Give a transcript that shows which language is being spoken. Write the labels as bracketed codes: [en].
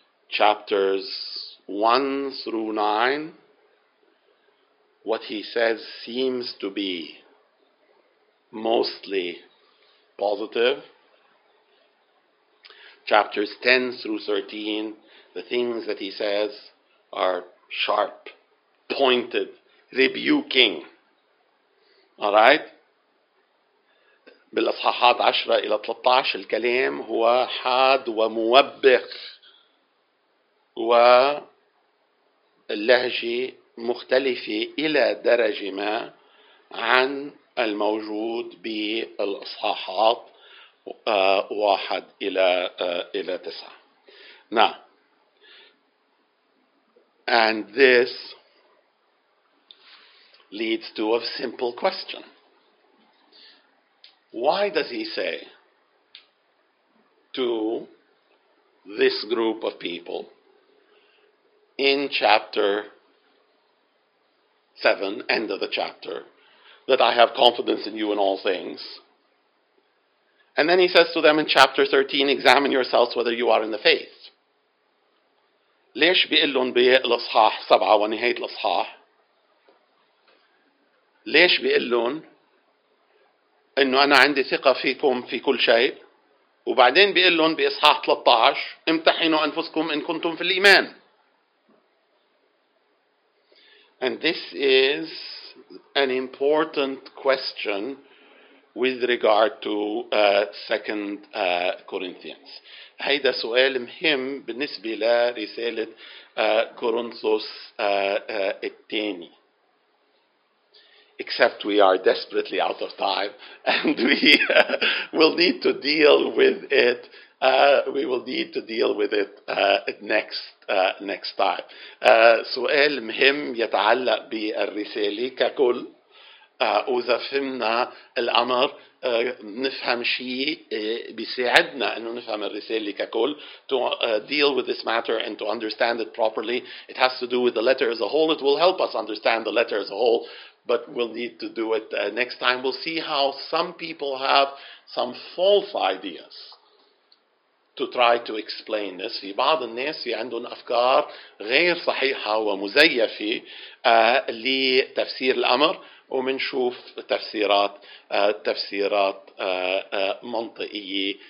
[en] Chapters 1 through 9, what he says seems to be mostly positive. Chapters 10 through 13, the things that he says are sharp, pointed, rebuking. All right? [ar] بالأصحاحات 10 إلى 13 الكلام هو حاد وموبخ واللهجة مختلفة إلى درجة ما عن الموجود بالأصحاحات 1 إلى 9. [en] Now, and this leads to a simple question. Why does he say to this group of people in chapter 7, end of the chapter, that I have confidence in you in all things? And then he says to them in chapter 13, examine yourselves whether you are in the faith. [ar] ليش بيقول لهم بالاصحاح 7 ونهايه الاصحاح ليش بيقول لهم انه انا عندي ثقه فيكم في كل شيء وبعدين بيقول لهم باصحاح 13 امتحنوا انفسكم ان كنتم في الايمان. [en] And this is an important question with regard to 2 Corinthians. [ar] هيدا سؤال مهم بالنسبة لرسالة كورنثوس الثاني. [en] Except we are desperately out of time and we will need to deal with it. We will need to deal with it next time. [ar] سؤال مهم يتعلق بالرسالة ككل. وإذا فهمنا الأمر نفهم شيء بيساعدنا أنه نفهم الرسالة ككل. [en] To deal with this matter and to understand it properly, it has to do with the letter as a whole. It will help us understand the letter as a whole, but we'll need to do it next time. We'll see how some people have some false ideas to try to explain this. [ar] في بعض الناس عندهم أفكار غير صحيحة ومزيفة لتفسير الأمر ومنشوف تفسيرات منطقية.